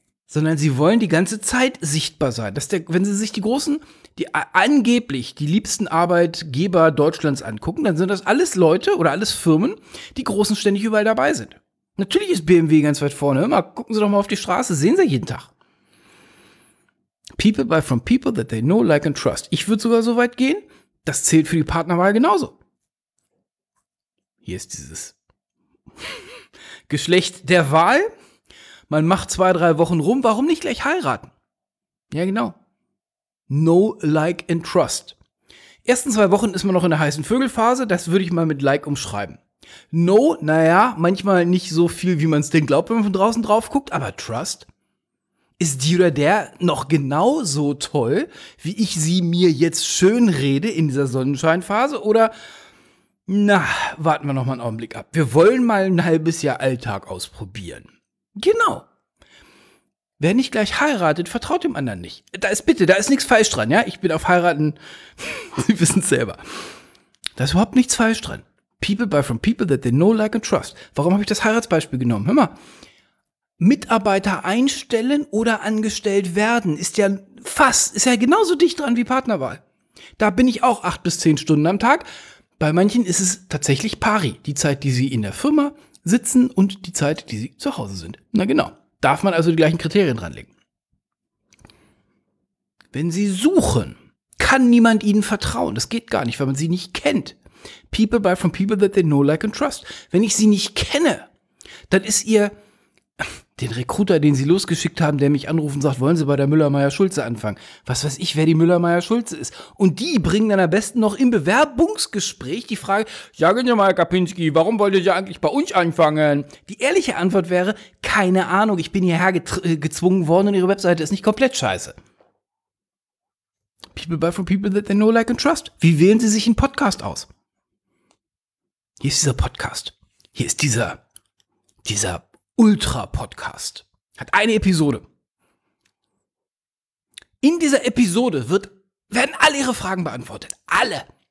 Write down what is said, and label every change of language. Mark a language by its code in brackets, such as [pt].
[de] sondern sie wollen die ganze Zeit sichtbar sein. Dass der, wenn sie sich die großen, die angeblich die liebsten Arbeitgeber Deutschlands angucken, dann sind das alles Leute oder alles Firmen, die großen ständig überall dabei sind. Natürlich ist BMW ganz weit vorne. Immer gucken Sie doch mal auf die Straße, sehen Sie jeden Tag. [en] People buy from people that they know, like and trust. [de] Ich würde sogar so weit gehen, das zählt für die Partnerwahl genauso. Hier ist dieses Geschlecht der Wahl. Man macht 2-3 Wochen rum, warum nicht gleich heiraten? Ja, genau. [en] Know, like and trust. [de] Ersten 2 Wochen ist man noch in der heißen Vögelphase, das würde ich mal mit like umschreiben. No, naja, manchmal nicht so viel, wie man es denn glaubt, wenn man von draußen drauf guckt, aber trust. Ist die oder der noch genauso toll, wie ich sie mir jetzt schön rede in dieser Sonnenscheinphase? Oder, na, warten wir noch mal einen Augenblick ab. Wir wollen mal ein halbes Jahr Alltag ausprobieren. Genau. Wer nicht gleich heiratet, vertraut dem anderen nicht. Da ist nichts falsch dran, ja? Ich bin auf Heiraten, Sie wissen es selber. Da ist überhaupt nichts falsch dran. [en] People buy from people that they know, like and trust. [de] Warum habe ich das Heiratsbeispiel genommen? Hör mal. Mitarbeiter einstellen oder angestellt werden, ist ja genauso dicht dran wie Partnerwahl. Da bin ich auch 8 bis 10 Stunden am Tag. Bei manchen ist es tatsächlich pari, die Zeit, die sie in der Firma sitzen und die Zeit, die sie zu Hause sind. Na genau, darf man also die gleichen Kriterien dranlegen. Wenn sie suchen, kann niemand ihnen vertrauen, das geht gar nicht, weil man sie nicht kennt. [en] People buy from people that they know, like and trust. [de] Wenn ich sie nicht kenne, dann ist ihr den Rekruter, den sie losgeschickt haben, der mich anruft und sagt, wollen Sie bei der Müller-Meyer-Schulze anfangen? Was weiß ich, wer die Müller-Meyer-Schulze ist? Und die bringen dann am besten noch im Bewerbungsgespräch die Frage, sagen Sie mal, Kapinski, warum wollt ihr eigentlich bei uns anfangen? Die ehrliche Antwort wäre, keine Ahnung, ich bin hierher gezwungen worden und Ihre Webseite ist nicht komplett scheiße. [en] People buy from people that they know, like and trust. [de] Wie wählen Sie sich einen Podcast aus? Hier ist dieser Podcast. Hier ist dieser Ultra-Podcast. Hat eine Episode. In dieser Episode werden alle ihre Fragen beantwortet. Alle.